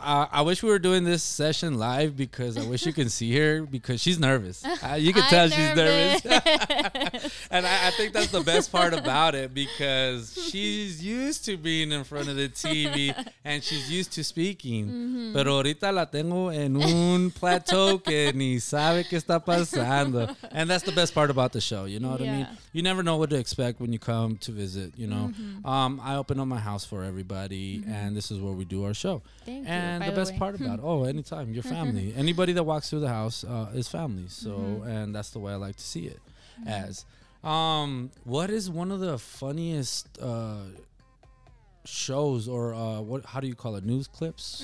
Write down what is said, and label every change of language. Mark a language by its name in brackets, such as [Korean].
[English] I wish we were doing this session live because I wish you can see her because she's nervous. You can tell nervous. She's nervous. And I think that's the best part about it because she's used to being in front of the TV and she's used to speaking. Mm-hmm. [Spanish] Pero ahorita la tengo en un plateau que ni sabe qué está pasando. [English] And that's the best part about the show, you know what, yeah, I mean, you never know what to expect when you come to visit, you know. Mm-hmm. I open up my house for everybody, mm-hmm, and this is where we do our show. Thank and And the best way. Part about it, oh, anytime, your family, anybody that walks through the house is family, so, mm-hmm, and that's the way I like to see it, mm-hmm, as what is one of the funniest shows or what, how do you call it, news clips,